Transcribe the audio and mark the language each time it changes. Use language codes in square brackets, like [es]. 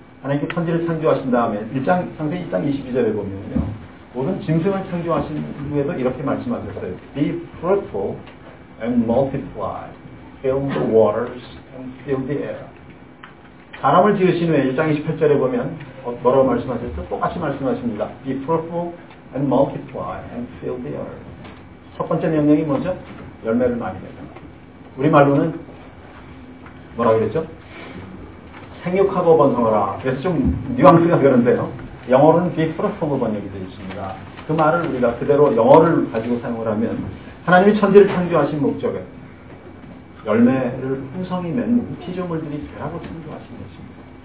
[ko] 하나님께 천지를 창조하신 다음에 창세기 1장 22절에 보면요. 모든 짐승을 창조하신 후에도 이렇게 말씀하셨어요. [en] Be fruitful and multiply. Fill the waters and fill the air. [ko] 사람을 지으신 후에 1장 28절에 보면 뭐라고 말씀하셨죠? 똑같이 말씀하십니다. [en] Be fruitful and multiply and fill the earth. [ko] 첫 번째 명령이 뭐죠? 열매를 많이 맺는 우리말로는 뭐라고 그랬죠? 생육하고 번성하라. 그래서 좀 뉘앙스가 그런데요. 영어로는 [en] be fruitful [ko] 번역이 되어 있습니다. 그 말을 우리가 그대로 영어를 가지고 사용을 하면 하나님이 천지를 창조하신 목적은 열매를 풍성히 맺는 피조물들이 되라고 창조하신 것입니다.